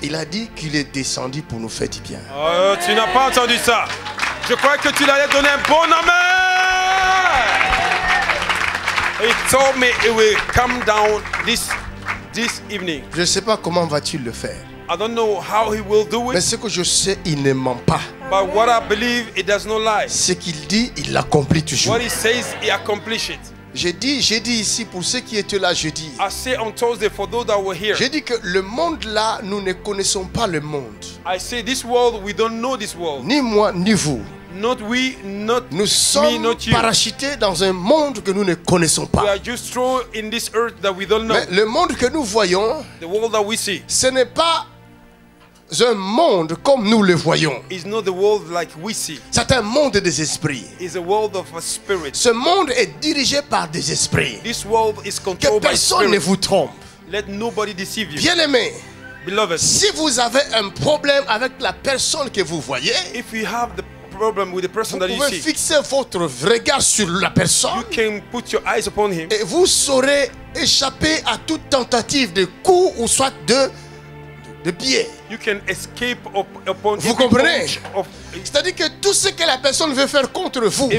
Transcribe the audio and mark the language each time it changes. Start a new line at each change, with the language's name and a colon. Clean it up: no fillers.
French: Il a dit qu'il est descendu pour nous faire du bien. Tu n'as pas entendu ça. Je crois que tu l'allais donner un bon amen.
English: He told me it will come down this evening.
French: Je ne sais pas comment va-t-il le faire.
English: I don't know how he will do it.
French: Mais ce que je sais, il ne ment pas.
English: But what I believe, it does not lie.
French: Ce qu'il dit, il l'accomplit toujours.
English: What he says, he accomplishes it.
French: J'ai dit ici pour ceux qui étaient là jeudi.
English: I say on Thursday for those that were here.
French: J'ai dit que le monde là, nous ne connaissons pas le monde.
English: I say this world, we don't know this world.
French: Ni moi, ni vous.
English: Not we, not
French: nous sommes
English: me, not you.
French: Parachutés dans un monde que nous ne connaissons pas.
English: We are just thrown in this earth that we don't know.
French: Mais le monde que nous voyons,
English: the world that we see,
French: ce n'est pas un monde comme nous le voyons.
English: It's not the world like we see.
French: C'est un monde des esprits.
English: It's a world of a spirit.
French: Ce monde est dirigé par des esprits.
English: This world is controlled by spirits.
French: Que personne ne vous trompe.
English: Let nobody deceive you.
French: Bien-aimé.
English: Beloved.
French: Si vous avez un problème avec la personne que vous voyez,
English: if you have the problem with the person that you see,
French: vous pouvez fixer votre regard sur la personne.
English: You can put your eyes upon him.
French: Et vous saurez échapper à toute tentative de coup ou soit de pied.
English: You can escape upon.
French: Vous comprenez? C'est-à-dire que tout ce que la personne veut faire contre vous,